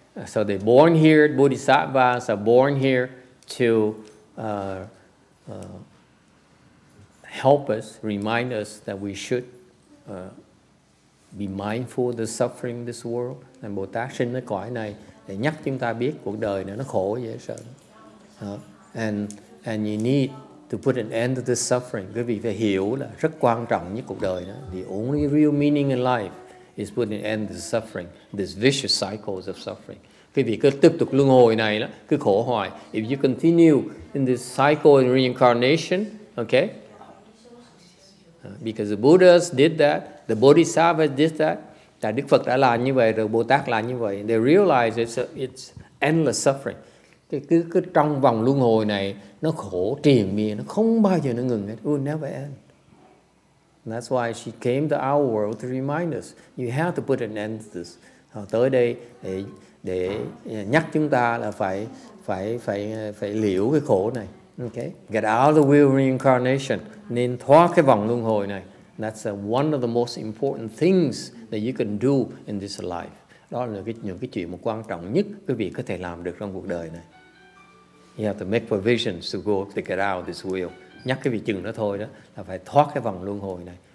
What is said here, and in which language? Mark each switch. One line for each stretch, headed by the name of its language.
English: So they born here, Bodhisattvas are born here to help us, remind us that we should be mindful of the suffering in this world.
Vietnamese: And Bồ Tát sinh ở cõi này để nhắc chúng ta biết cuộc đời này nó khổ dễ sợ.
English: And you need to put an end to this suffering.
Vietnamese: Quý vị phải hiểu là rất quan trọng nhất cuộc đời đó.
English: The only real meaning in life is putting an end to the suffering, this vicious cycles of suffering.
Vietnamese: Quý vị cứ tiếp tục luân hồi này đó, cứ khổ hoài.
English: If you continue in this cycle in reincarnation, okay? Because the Buddhas did that,
Vietnamese: the Bodhisattvas did that, tại Đức Phật đã làm như vậy, rồi Bồ Tát làm như vậy.
English: They realize it's endless suffering.
Vietnamese: Cứ trong vòng luân hồi này, nó khổ triền miên, nó không bao giờ nó ngừng hết.
English: It will never end. And that's why she came to our world to remind us, you have to put an end to this.
Vietnamese: Tới đây để nhắc chúng ta là phải liễu cái khổ này.
English: Okay, get out of the wheel of reincarnation.
Vietnamese: Nên thoát cái vòng luân hồi này.
English: That's one of the most important things that you can do in this life.
Vietnamese: Đó là những cái chuyện mà quan trọng nhất quý vị có thể làm được trong cuộc đời này.
English: You have to make provisions to go to get out of this wheel.
Vietnamese: Nhắc cái vị chừng đó thôi đó là phải thoát cái vòng luân hồi này.